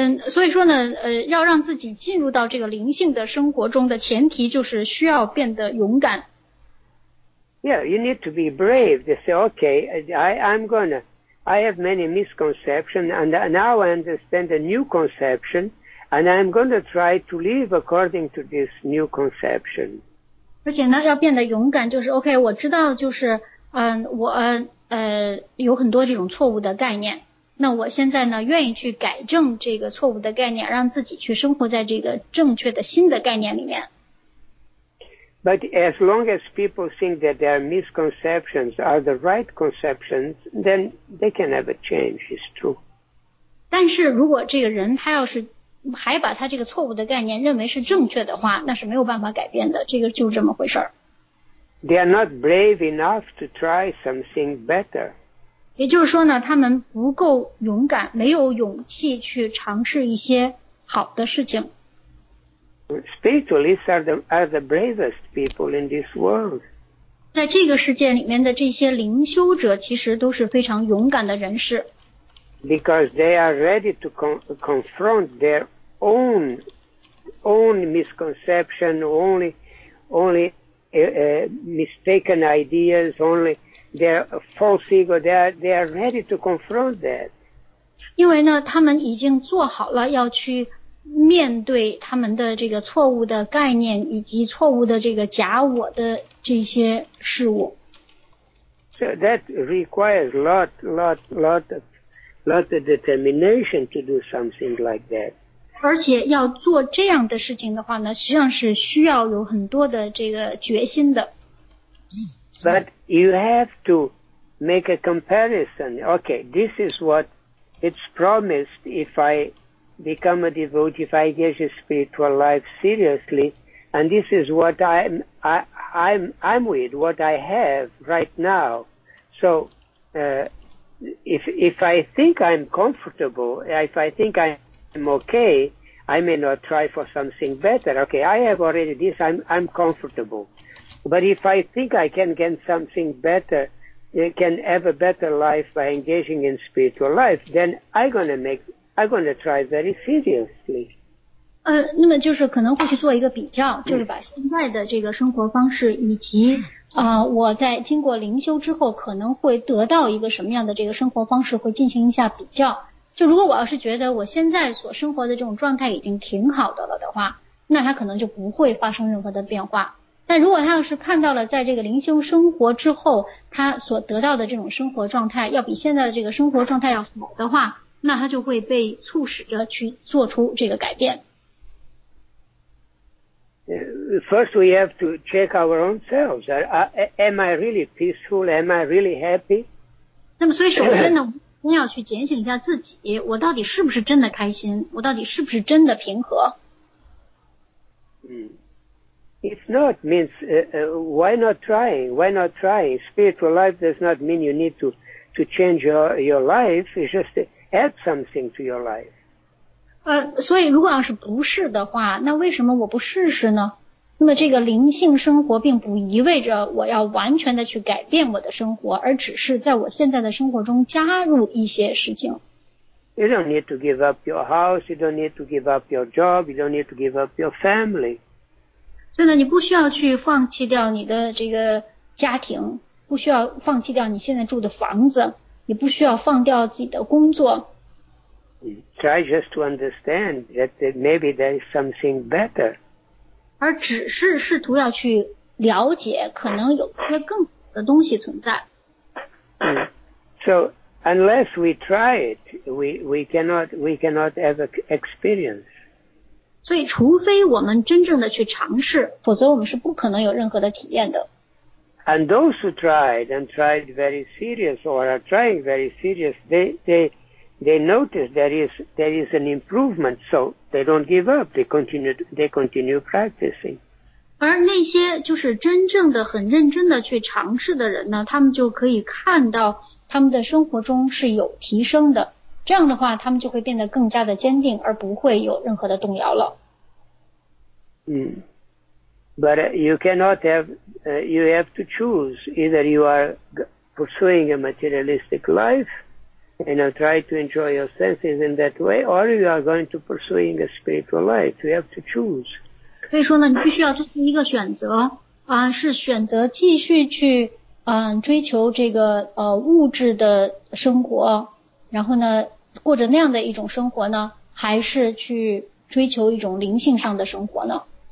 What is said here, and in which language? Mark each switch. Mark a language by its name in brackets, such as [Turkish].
[Chinese] 所以说呢，要让自己进入到这个灵性的生活中的前提就是需要变得勇敢。 [English] Yeah, you need to be brave. They say, okay, I have many misconceptions, and now I understand a new conception, and I'm going to try to live according to this new conception. [Chinese] 而且呢，要变得勇敢，就是 OK， 我知道，就是我有很多这种错误的概念。那我现在呢，愿意去改正这个错误的概念，让自己去生活在这个正确的新的概念里面。 [English] But as long as people think that their misconceptions are the right conceptions, then they can never change, it's true. [Chinese] 但是如果这个人他要是还把他这个错误的概念认为是正确的话，那是没有办法改变的，这个就这么回事。 [English] They are not brave enough to try something better. [Chinese] 也就是说呢，他们不够勇敢，没有勇气去尝试一些好的事情。 [English] Spiritualists are the bravest people in this world. [Chinese] 在这个世界里面的这些灵修者其实都是非常勇敢的人士。 [English] Because they are ready to confront their own misconception, only mistaken ideas, only their false ego. They are ready to confront that. [Chinese] 因为呢，他们已经做好了要去面对他们的这个错误的概念以及错误的这个假我的这些事物。 [English] So that requires lot of determination to do something like that. [Chinese] 而且要做这样的事情的话呢，实际上是需要有很多的这个决心的。 [English] But you have to make a comparison. Okay, this is what it's promised if I become a devotee, if I get a spiritual life seriously, and this is what I'm with, what I have right now. So, if I think I'm comfortable, if I think I'm okay, I may not try for something better. Okay, I have already this, I'm comfortable. But if I think I can get something better, can have a better life by engaging in spiritual life, then I'm going to try very seriously. [Chinese] 那么就是可能会去做一个比较，就是把现在的这个生活方式以及我在经过灵修之后可能会得到一个什么样的这个生活方式，会进行一下比较。就如果我要是觉得我现在所生活的这种状态已经挺好的了的话，那它可能就不会发生任何的变化。但如果他要是看到了在这个灵修生活之后他所得到的这种生活状态要比现在的这个生活状态要好的话，那他就会被促使着去做出这个改变。 [English] First, we have to check our own selves. Am I really peaceful? Am I really happy? [Chinese] 那么，所以首先呢，我们要去检醒一下自己，我到底是不是真的开心？我到底是不是真的平和？ [English] If not, means why not trying? Why not trying? Spiritual life does not mean you need to change your life. It's just add something to your life. [Chinese] 所以如果要是不是的话，那为什么我不试试呢？那么这个灵性生活并不意味着我要完全的去改变我的生活，而只是在我现在的生活中加入一些事情。 [English] You don't need to give up your house, you don't need to give up your job, you don't need to give up your family. [Chinese] 所以呢，你不需要去放弃掉你的这个家庭，不需要放弃掉你现在住的房子。你不需要放掉自己的工作。 [English] Try just to understand that maybe there is something better. [Chinese] 而只是试图要去了解可能有些更好的东西存在。 [English] So unless we try it, we cannot ever experience. [Chinese] 所以除非我们真正的去尝试，否则我们是不可能有任何的体验的。 [English] And those who tried and tried very serious or are trying very serious, they notice there is an improvement, so they don't give up, they continue practicing. [Chinese] 而那些就是真正的很认真的去尝试的人呢，他们就可以看到他们的生活中是有提升的，这样的话他们就会变得更加的坚定，而不会有任何的动摇了。 [English] But you cannot you have to choose. Either you are pursuing a materialistic life and try to enjoy your senses in that way, or you are going to pursuing a spiritual life. You have to choose. [Chinese] 所以说呢，你必须要做出一个选择啊，是选择继续去追求这个物质的生活，然后呢过着那样的一种生活呢，还是去追求一种灵性上的生活呢？